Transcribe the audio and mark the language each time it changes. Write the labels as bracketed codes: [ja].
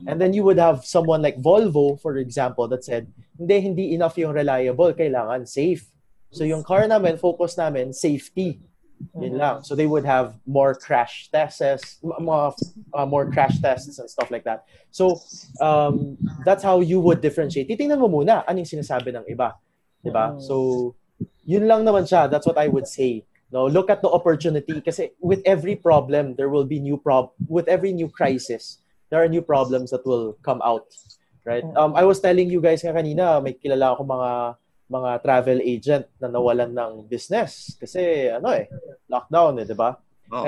[en] And then you would have someone like Volvo, for example, that said, [tl] hindi enough yung reliable, kailangan safe. So yung car namin, focus namin, safety. Yun lang. [en] So they would have more crash tests, more crash tests and stuff like that. So that's how you would differentiate. [tl] Titingnan mo muna anong sinasabi ng iba, 'di ba? So yun lang naman siya. [en] That's what I would say. No, look at the opportunity kasi with every problem there will be new with every new crisis, there are new problems that will come out, right? I was telling you guys [tl] nga kanina, may kilala ako mga travel agent na nawalan ng business kasi ano eh lockdown eh, 'di ba? Oh.